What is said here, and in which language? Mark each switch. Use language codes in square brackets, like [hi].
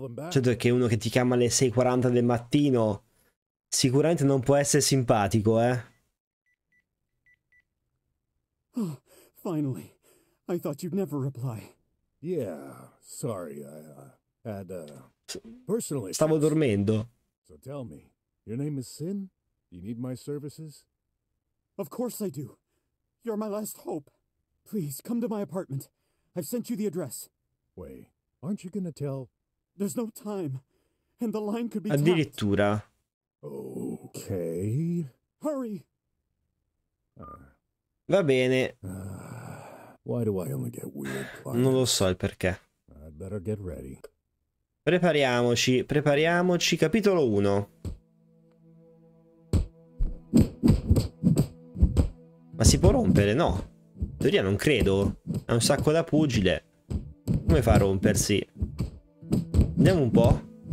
[it] Certo che uno che ti chiama alle 6:40 del mattino sicuramente non può essere simpatico, eh? [en] Oh, finally. I thought you'd never reply. Yeah, sorry. I had personally. [it] Stavo dormendo. [en] So tell me, your name is Sin? You need my services? Of course I do. You're my last hope. Please come to my apartment. I've sent you the address. Wait, aren't you gonna tell? There's no time, and the line could be [it] addirittura [en] tapped. Okay. Hurry. [it] Va bene. [en] Why do I only get weird clients? [it] Non lo so il perché. [en] I'd better get ready. [it] Prepariamoci, capitolo 1. Ma si può rompere? No. In teoria non credo. È un sacco da pugile. Come fa a rompersi? Andiamo un po'.